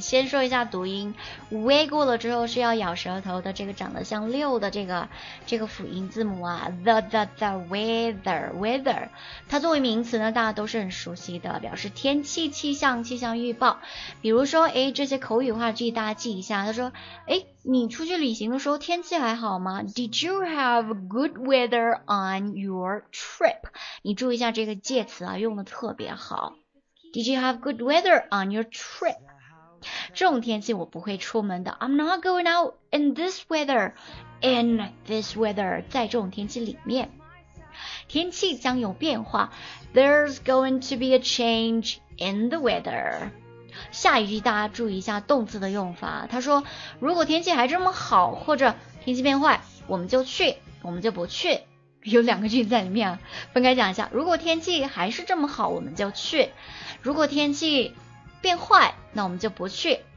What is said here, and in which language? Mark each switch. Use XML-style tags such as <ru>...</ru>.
<zh>先说一下读音 ，w 过了之后是要咬舌头的，这个长得像六的这个辅音字母啊 ，the weather。它作为名词呢，大家都是很熟悉的，表示天气、气象、气象预报。比如说，哎，这些口语话句大家记一下。他说，哎。你出去旅行的时候天气还好吗？</zh> <en>Did you have good weather on your trip?</en> <zh>你注意一下这个介词啊，用的特别好。</zh> <en>Did you have good weather on your trip?</en> <zh>这种天气我不会出门的。</zh> <en>I'm not going out in this weather. In this weather,</en> <zh>在这种天气里面。天气将有变化。</zh> <en>There's going to be a change in the weather.</en> <zh>下一句大家注意一下动词的用法，他说如果天气还这么好或者天气变坏，我们就去我们就不去，有两个句子在里面啊，分开讲一下，如果天气还是这么好我们就去，如果天气变坏那我们就不去。</zh>